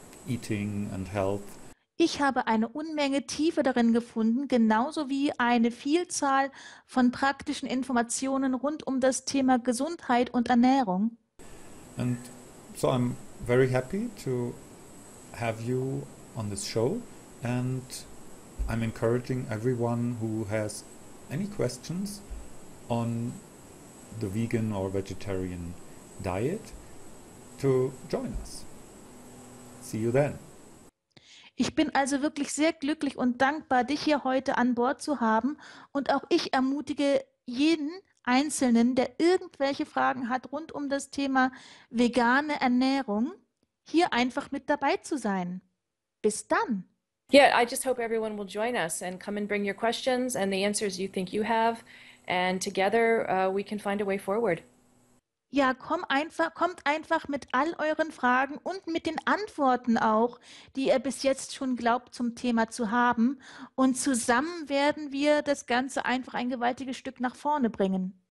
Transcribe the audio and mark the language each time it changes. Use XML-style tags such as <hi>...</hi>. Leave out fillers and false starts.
<en>eating and health.</en> <de>Ich habe eine Unmenge Tiefe darin gefunden, genauso wie eine Vielzahl von praktischen Informationen rund um das Thema Gesundheit und Ernährung.</de> <en>And so I'm very happy to have you on this show, and I'm encouraging everyone who has any questions on the vegan or vegetarian diet to join us. See you then.</en> <de>Ich bin also wirklich sehr glücklich und dankbar, dich hier heute an Bord zu haben. Und auch ich ermutige jeden Einzelnen, der irgendwelche Fragen hat rund um das Thema vegane Ernährung, hier einfach mit dabei zu sein. Bis dann.</de> <en>Yeah, I just hope everyone will join us and come and bring your questions and the answers you think you have, and together we can find a way forward.</en> <de>Ja, kommt einfach mit all euren Fragen und mit den Antworten auch, die ihr bis jetzt schon glaubt, zum Thema zu haben. Und zusammen werden wir das Ganze einfach ein gewaltiges Stück nach vorne bringen.</de>